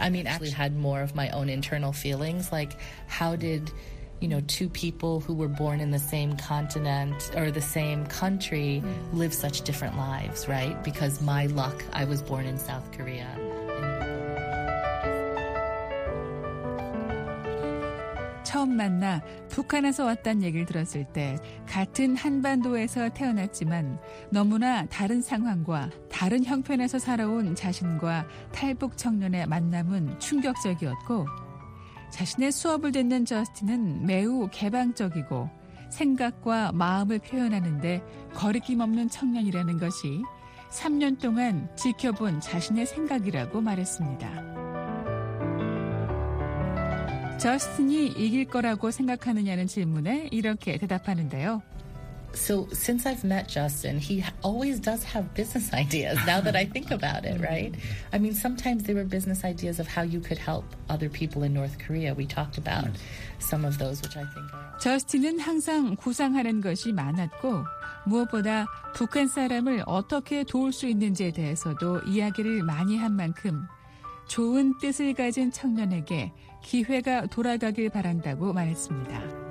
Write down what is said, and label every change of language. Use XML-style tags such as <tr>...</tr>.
<en>I mean, actually had more of my own internal feelings, like how did... You know, two people who were born in the same continent or the same country live such different lives, right? Because my luck, I was born in South Korea.</en> <ko>처음 만나 북한에서 왔다는 얘기를 들었을 때 같은 한반도에서 태어났지만 너무나 다른 상황과 다른 형편에서 살아온 자신과 탈북 청년의 만남은 충격적이었고 자신의 수업을 듣는 저스틴은 매우 개방적이고 생각과 마음을 표현하는데 거리낌 없는 청년이라는 것이 3년 동안 지켜본 자신의 생각이라고 말했습니다. 저스틴이 이길 거라고 생각하느냐는 질문에 이렇게 대답하는데요.</ko> <en>So since I've met Justin, he always does have business ideas, now that I think about it, right? I mean, sometimes there were business ideas of how you could help other people in North Korea. We talked about some of those, which I think are...</en> <ko>저스틴은 항상 구상하는 것이 많았고, 무엇보다 북한 사람을 어떻게 도울 수 있는지에 대해서도 이야기를 많이 한 만큼 좋은 뜻을 가진 청년에게 기회가 돌아가길 바란다고 말했습니다.</ko>